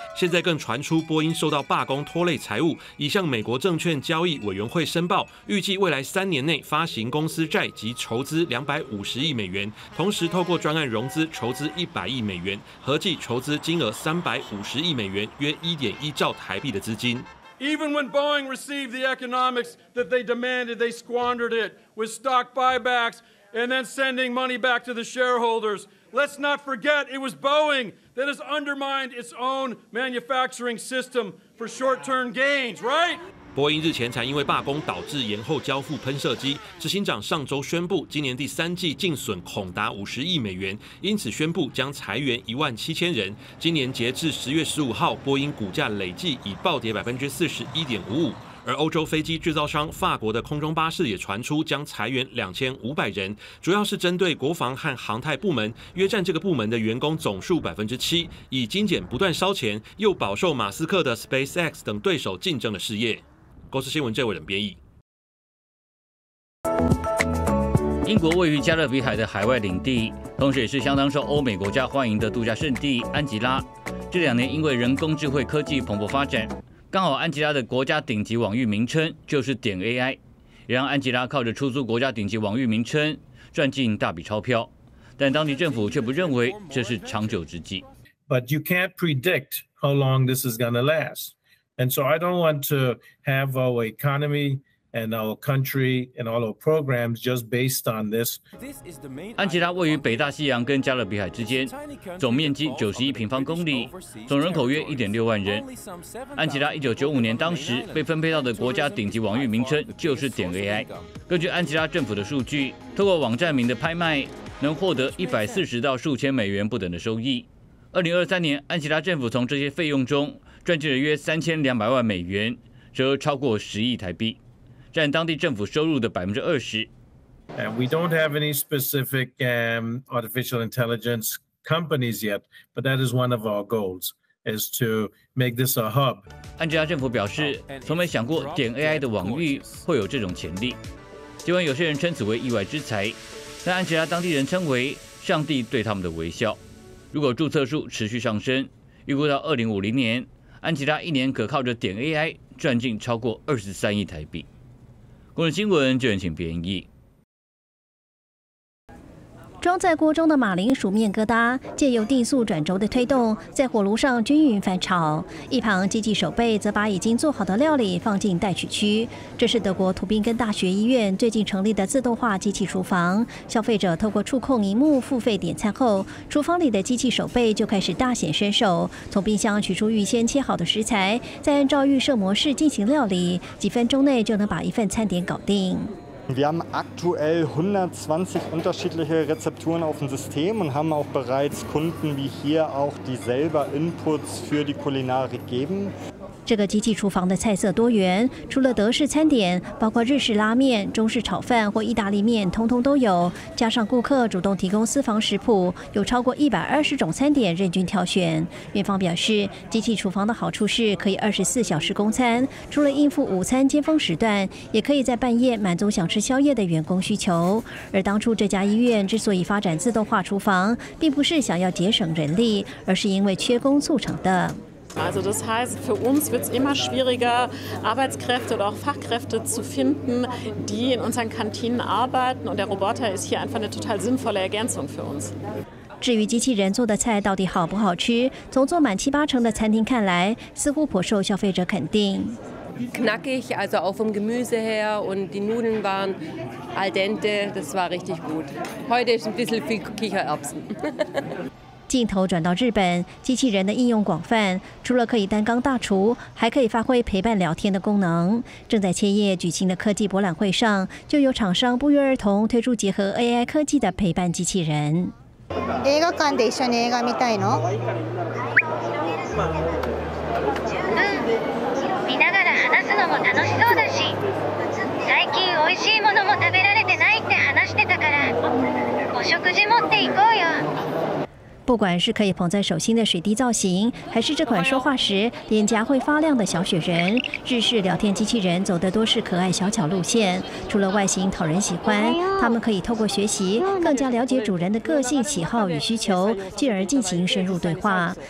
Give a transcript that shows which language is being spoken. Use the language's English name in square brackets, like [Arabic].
[Chinese] 现在更传出波音受到罢工拖累财务，已向美国证券交易委员会申报，预计未来3年内发行公司债及筹资250亿美元，同时透过专案融资筹资100亿美元，合计筹资金额350亿美元，约1.1兆台币的资金。 [English] Even when Boeing received the economics that they demanded, they squandered it with stock buybacks and then sending money back to the shareholders. Let's not forget it was Boeing that has undermined its own manufacturing system for short-term gains, right? [Chinese] 波音日前才因为罢工导致延后交付喷射机，执行长上周宣布今年第三季净损恐达50亿美元，因此宣布将裁员17000人。今年截至10月15号，波音股价累计已暴跌41.55%。而欧洲飞机制造商法国的空中巴士也传出将裁员2500人，主要是针对国防和航太部门，约占这个部门的员工总数7%，以精简不断烧钱，又饱受马斯克的 SpaceX 等对手竞争的事业。公司新闻郑伟仁编译。英国位于加勒比海的海外领地，同时也是相当受欧美国家欢迎的度假胜地安吉拉，这两年因为人工智慧科技蓬勃发展，刚好安吉拉的国家顶级网域名称就是点 AI， 也让安吉拉靠着出租国家顶级网域名称赚进大笔钞票，但当地政府却不认为这是长久之计。 [English] But you can't predict how long this is going to last. And so I don't want to have our economy and our country and all our programs just based on this. [Chinese] 安吉拉位于北大西洋跟加勒比海之间，总面积91平方公里，总人口约1.6万人。安吉拉1995年当时被分配到的国家顶级网域名称就是点 AI。根据安吉拉政府的数据，透过网站名的拍卖，能获得140到数千美元不等的收益。 2023年，安吉拉政府从这些费用中赚进了约3200万美元，折超过10亿台币，占当地政府收入的20%。 [English] And we don't have any specific artificial intelligence companies yet, but that is one of our goals, is to make this a hub. [Chinese] 安吉拉政府表示，从没想过点 AI 的网域会有这种潜力。尽管有些人称此为意外之财，但安吉拉当地人称为上帝对他们的微笑。如果注册数持续上升，预估到2050年，安吉拉一年可靠着点 AI 赚进超过23亿台币。公视新闻就有请编译。装在锅中的马铃薯面疙瘩，借由定速转轴的推动，在火炉上均匀翻炒。一旁机器手背则把已经做好的料理放进待取区。这是德国图宾根大学医院最近成立的自动化机器厨房。消费者透过触控萤幕付费点餐后，厨房里的机器手背就开始大显身手，从冰箱取出预先切好的食材，再按照预设模式进行料理，几分钟内就能把一份餐点搞定。 [German] Wir haben aktuell 120 unterschiedliche Rezepturen auf dem System und haben auch bereits Kunden wie hier auch die selber Inputs für die Kulinarik geben. [Chinese] 这个机器厨房的菜色多元，除了德式餐点，包括日式拉面、中式炒饭或意大利面，通通都有。加上顾客主动提供私房食谱，有超过120种餐点任君挑选。院方表示，机器厨房的好处是可以24小时供餐，除了应付午餐尖峰时段，也可以在半夜满足想吃宵夜的员工需求。而当初这家医院之所以发展自动化厨房，并不是想要节省人力，而是因为缺工促成的。 [German] Also das heißt, für uns wird es immer schwieriger, Arbeitskräfte oder auch Fachkräfte zu finden, die in unseren Kantinen arbeiten. Und der Roboter ist hier einfach eine total sinnvolle Ergänzung für uns. [Chinese] 至于机器人做的菜到底好不好吃，从坐满70-80%的餐厅看来，似乎颇受消费者肯定。 [German] Knackig, also auch vom Gemüse her und die Nudeln waren al dente, das war richtig gut. Heute ist ein bisschen viel Kichererbsen. [Chinese] 镜头转到日本，机器人的应用广泛，除了可以担纲大厨，还可以发挥陪伴聊天的功能。正在千叶举行的科技博览会上，就有厂商不约而同推出结合 AI 科技的陪伴机器人。 [Japanese] 映画館で一緒に映画見たいの？見ながら話すのも楽しそうだし、最近おいしいものも食べられてないって話してたから、お食事持って行こうよ。 [Chinese] 不管是可以捧在手心的水滴造型，还是这款说话时脸颊会发亮的小雪人，日式聊天机器人走的都是可爱小巧路线。除了外形讨人喜欢，他们可以透过学习更加了解主人的个性喜好与需求，进而进行深入对话。